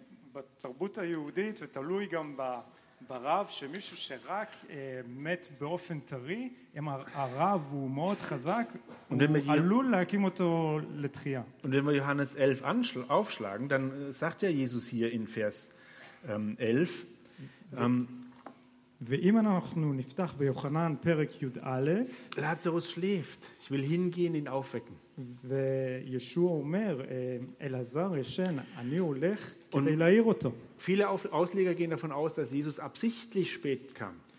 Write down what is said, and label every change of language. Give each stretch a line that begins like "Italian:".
Hebrew: ובתרבות היהודית ותלוי גם ברב שמישהו שרק מת באופן טרי, אם הרב הוא מאוד חזק, הוא עלול להקים אותו לתחייה.
German: Und wenn wir Johannes 11 aufschlagen, dann sagt ja Jesus hier in Vers 11,
Hebrew: ואם אנחנו נפתח ביוחנן פרק י'
German: Lazarus schläft, ich will hingehen, ihn aufwecken.
Hebrew: וישוע אומר, אלעזר ישן, אני הולך כדי להעיר אותו.
German: Viele Ausleger gehen davon aus, dass Jesus absichtlich spät kam.